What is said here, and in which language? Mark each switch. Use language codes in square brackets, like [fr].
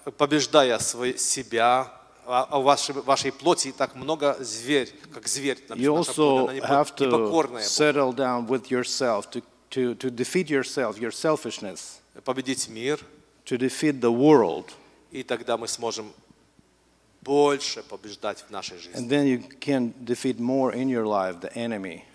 [ru] Побеждая себя, а вашей плоти так много зверь, как зверь, наша плоть, она непокорная. [en] You also have to settle down with yourself to defeat yourself, your selfishness. [ru] Победить мир. [en] To defeat the world. [ru] И тогда мы сможем больше побеждать в нашей жизни. [en] And then you can defeat more in your life the enemy.